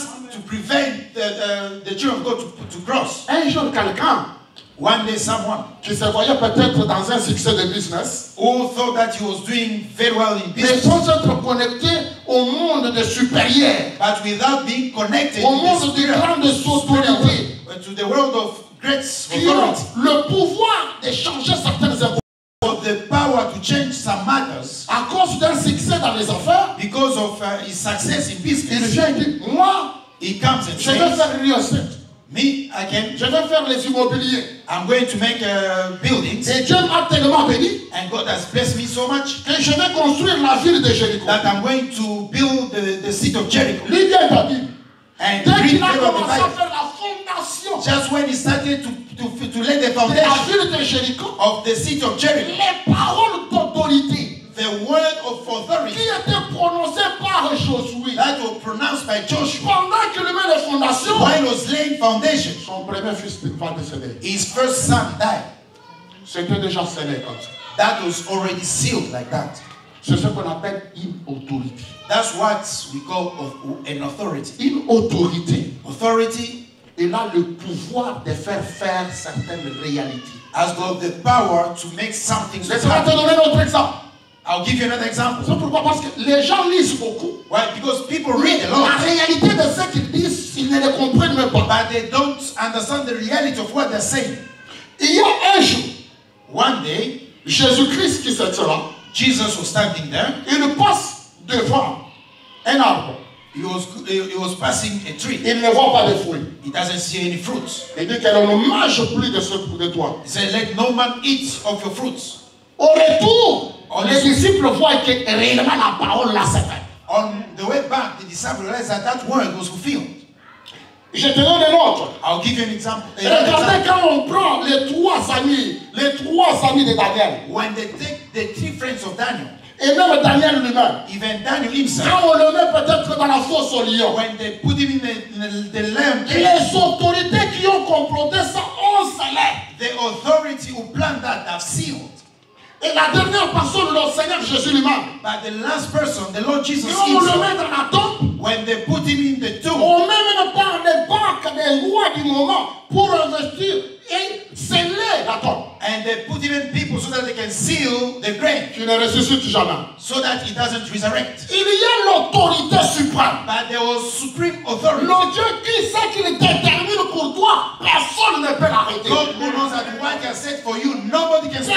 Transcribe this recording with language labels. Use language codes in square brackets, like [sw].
[en] to prevent the children of God to cross. [fr] Un jour quelqu'un, [en] one day someone, [fr] qui se voyait peut-être dans un succès de business, [en] who thought that he was doing very well in business, [fr] mais sans être connecté au monde de supérieur, [en] but without being connected, [fr] au monde de grandes autorités, [en] to the world of great authority, [fr] le pouvoir de changer certaines choses. [en] Of the power to change some matters, [fr] à cause d'un succès dans les affaires, [en] because of his success in business, [fr] il vient, moi, [en] he comes and says, Me, I can. [fr] Je vais faire les immobiliers. [en] I'm going to make a building. [fr] Et Dieu m'a tellement béni. [en] And God has blessed me so much. [fr] Que je vais construire la ville de Jéricho. [en] That I'm going to build the city of Jericho. [fr] Lis bien ta Bible. [en] And [fr] dès qu'il a commencé à faire la fondation. [en] Just when he started to lay the foundation. [fr] De la ville de Jéricho. [en] Of the city of Jericho. [fr] Les paroles d'autorité. [en] The word of authority [fr] qui était prononcé par Josué, [en] that was pronounced by Joshua, [fr] pendant qu'il met les fondations, [en] while he was laying foundation, [fr] son premier fils va décéder. [en] His first son died. [fr] C'était déjà scellé comme ça. [en] That was already sealed like that. [fr] C'est ce qu'on appelle une autorité. [en] That's what we call an authority. [fr] Une autorité. [en] Authority. [fr] Il a le pouvoir de faire certaines réalités. [en] As God the power to make something. [fr] Laisse-moi te donner un autre exemple. [en] I'll give you another example. [fr] C'est pourquoi, parce que les gens lisent beaucoup. [en] Why? Because people read a lot. [fr] La réalité de ce qu'ils disent, ils ne les comprennent même pas. [en] But they don't understand the reality of what they're saying. [fr] Il y a un jour, [en] one day, [fr] Jésus-Christ qui se tient là, [en] Jesus was standing there. [fr] Il passe devant un arbre. [en] He was passing a tree. [fr] Il ne voit pas de fruits. [en] He doesn't see any fruits. [fr] Il dit qu'on ne mange plus de ce fruit de toi. [en] He said, let no man eat of your fruits. [fr] Au retour, les disciples voient que réellement la parole là s'est faite. [en] On the way back, the disciples realized that that word was fulfilled. [fr] Je te donne un autre. [en] I'll give you an example. [fr] Regardez quand on prend les trois amis de Daniel. [en] When they take the three friends of Daniel. [fr] Et même Daniel lui-même. [en] Even Daniel himself. [fr] Quand on le met peut-être dans la fosse au lion. [en] When they put him in the lamb. [fr] Et les autorités qui ont comploté ça ont scellé. [en] The authority who planned that have sealed. [fr] Et la dernière personne, le Seigneur Jésus lui-même. [en] But the last person, the Lord Jesus [fr] Christ. Quand on le met dans la tombe, [en] when they put him in the tomb, [fr] on met même pas les banques des rois du moment pour investir et sceller la tombe. [en] And they put even people so that they can seal the grave. [fr] Qui ne ressuscite jamais. [en] So that he doesn't resurrect. [fr] Il y a l'autorité suprême. [en] But there was supreme authority. [fr] Le Dieu qui sait qu'il détermine pour toi, personne ne peut l'arrêter. [en] God who knows that what he has said for you, nobody can stop.